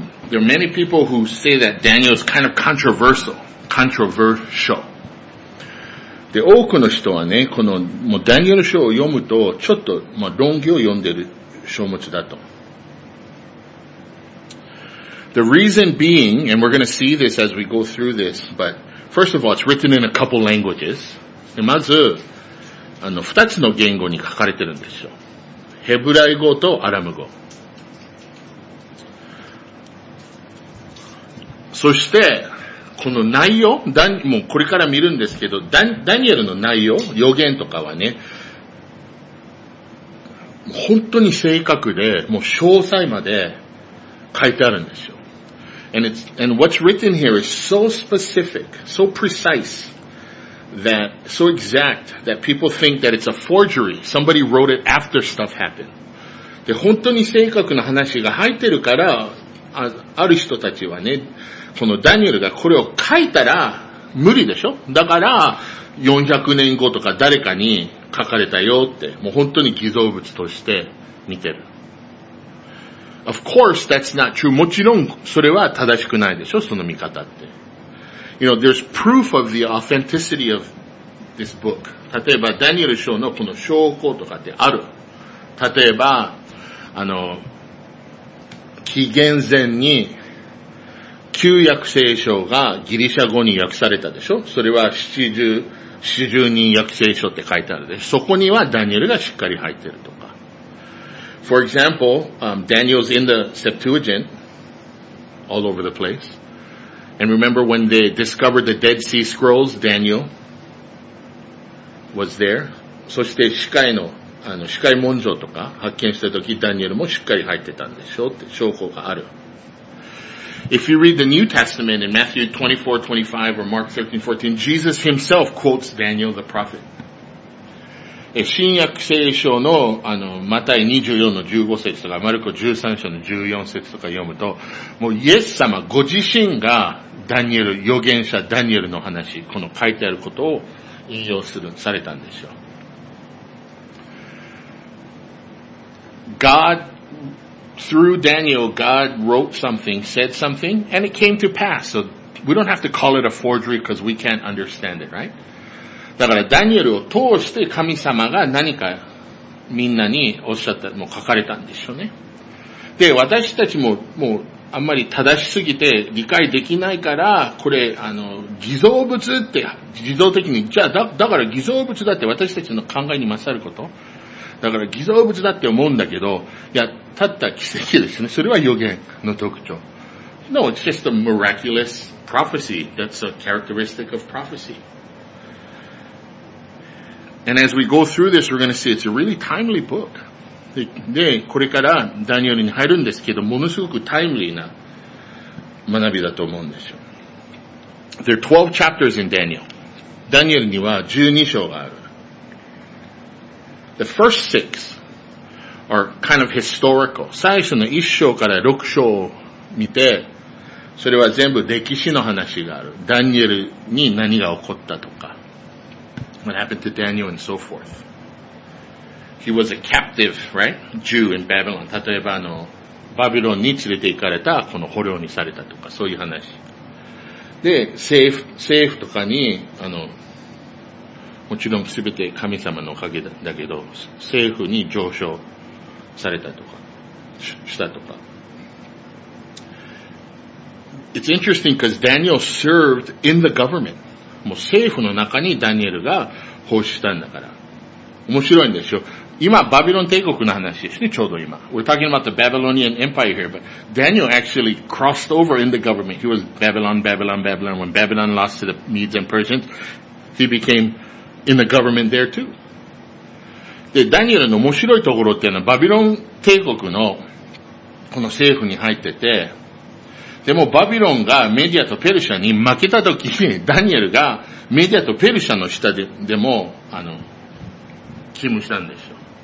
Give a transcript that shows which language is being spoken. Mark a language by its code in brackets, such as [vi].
[en] There are many people who say that Daniel is kind of controversial. Controversial. [ja] で、多くの人はね、この、もうダニエル書を読むと、ちょっと、まあ、論議を読んでる書物だと。 [en] The reason being, and we're going to see this as we go through this, but first of all, it's written in a couple languages. [ja] で、まず、あの、二つの言語に書かれてるんですよ。ヘブライ語とアラム語。そして、この内容、もうこれから見るんですけど、ダニエルの内容、予言とかはね、本当に正確で、もう詳細まで書いてあるんですよ。 [en] And what's written here is so specific, so precise, that, so exact, that people think that it's a forgery. Somebody wrote it after stuff happened. [ja] で、本当に正確な話が入ってるから、ある人たちはね、このダニエルがこれを書いたら無理でしょ？だから400年後とか誰かに書かれたよって、もう本当に偽造物として見てる。 [en] Of course, that's not true. [ja] もちろん、それは正しくないでしょ？その見方って。 [en] You know, there's proof of the authenticity of this book. [ja] 例えば、ダニエル書のこの証拠とかってある。例えば、あの、紀元前に、旧約聖書がギリシャ語に訳されたでしょ？それは七十人訳聖書って書いてあるでしょ？そこにはダニエルがしっかり入ってるとか。 [en] For example, Daniel's in the Septuagint, all over the place. And remember when they discovered the Dead Sea Scrolls, Daniel was there. [ja] そして司会の、あの、司会文書とか発見した時、ダニエルもしっかり入ってたんでしょ？って証拠がある。 [en] If you read the New Testament in Matthew 24:25 or Mark 13:14, Jesus himself quotes Daniel the prophet. [ja] 新約聖書の、あの、マタイ24の15節とか、マルコ13章の14節とか読むと、もうイエス様ご自身がダニエル、預言者ダニエルの話、この書いてあることを引用する、されたんでしょう。 [en] God,Through Daniel, God wrote something, said something, and it came to pass. So we don't have to call it a forgery because we can't understand it, right? [ja] だからダニエルを通して神様が何かみんなにおっしゃった、もう書かれたんでしょうね。で、私たちももうあんまり正しすぎて理解できないから、これ、あの、偽造物って、偽造的に、じゃあだから偽造物だって私たちの考えに勝ること。だから偽造物だって思うんだけど、いや、たった奇跡ですね。それは予言の特徴。 [en] No, it's just a miraculous prophecy. That's a characteristic of prophecy. And as we go through this, we're going to see it's a really timely book. [ja] で、これからダニエルに入るんですけど、ものすごくタイムリーな学びだと思うんですよ。 [en] There are 12 chapters in Daniel. [ja] ダニエルには12章がある。 [en] The first six are kind of historical. [ja] 最初の一章から六章を見て、それは全部歴史の話がある。ダニエルに何が起こったとか。 [en] What happened to Daniel and so forth. He was a captive, right? Jew in Babylon. [ja] 例えばあの、バビロンに連れて行かれた、この捕虜にされたとか、そういう話。で、政府とかに、あの、もちろんすべて神様のおかげだけど、政府に上昇されたとか、したとか。 [en] It's interesting because Daniel served in the government. [ja] もう政府の中にダニエルが奉仕したんだから。面白いんですよ。今、バビロン帝国の話ですね、ちょうど今。 [en] We're talking about the Babylonian Empire here, but Daniel actually crossed over in the government. He was Babylon, Babylon, Babylon. When Babylon lost to the Medes and Persians, he became... In the government there too. [ja] で、ダニエルの面白いところっていうのは、バビロン帝国のこの政府に入ってて、でもバビロンがメディアとペルシャに負けた時にダニエルがメディアとペルシャの下 でも勤務したんですよ。